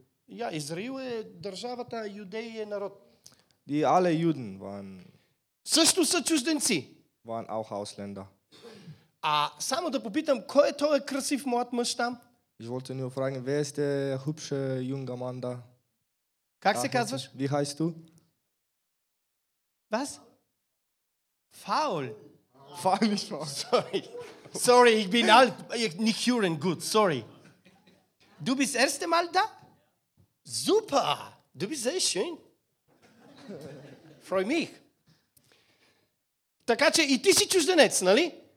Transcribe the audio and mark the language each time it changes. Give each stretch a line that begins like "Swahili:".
Bulgarian: Ja, Израил е държавата, юдеи е народ.
German: Die alle Juden waren.
Bulgarian: Също са чужденци.
German: Waren auch Ausländer.
Bulgarian: А само да попитам, кой е този красив млад мъж там?
German: Ich wollte nur fragen, wer ist der hübsche junge Mann da?
Bulgarian: Как се казваш?
German: Wie heißt du? Was? Faul. Faul, nicht faul. Sorry, ich bin alt. Nicht hören, gut, sorry. Du bist das erste Mal da? Super, du bist sehr schön. Freu mich.
Bulgarian: Така че и ти си чужденец, нали?